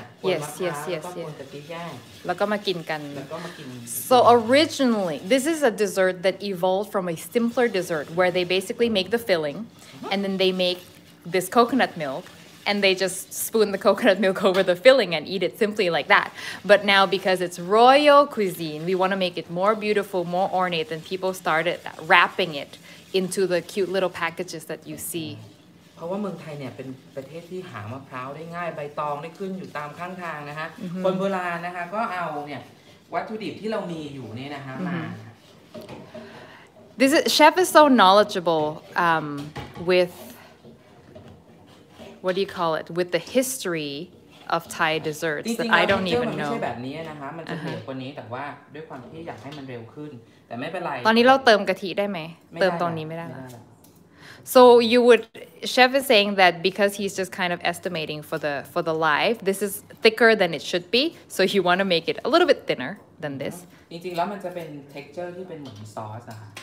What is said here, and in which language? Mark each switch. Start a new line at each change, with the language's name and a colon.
English: yes yes yes
Thai: แล้วก็กวนตะกี้แยก แล้วก็มากินกัน แล้วก็มากิน
English: So originally this is a dessert that evolved from a simpler dessert where they basically make the filling and then they make this coconut milkAnd they just spoon the coconut milk over the filling and eat it simply like that. But now because it's royal cuisine, we want to make it more beautiful, more ornate, and people started wrapping it into the cute little packages that you see.
Thai: เพราะว่าเมืองไทยเนี่ยเป็นประเทศที่หามะพร้าวได้ง่ายใบตองได้ขึ้นอยู่ตามข้างทางนะฮะคนโบราณนะคะก็เอาเนี่ยวัตถุดิบที่เรามีอยู่เนี่ยนะฮะมา
English: This is, chef is so knowledgeable withWhat do you call it? With the history of Thai desserts that I don't even know.
Thai: ใช่แบบนี้นะคะมันจะเหนียวกว่านี้แต่ว่าด้วยความที่อยากให้มันเร็วขึ้นแต่ไม่เป็นไร ตอนนี้เราเติมกะทิได้ไหมเติมตอนนี้ไม่ได้
English: So you would chef is saying that because he's just kind of estimating for the live this is thicker than it should be so you want to make it a little bit thinner than this.
Thai: จริงๆแล้วมันจะเป็น texture ที่เป็นเหมือนซอสอะ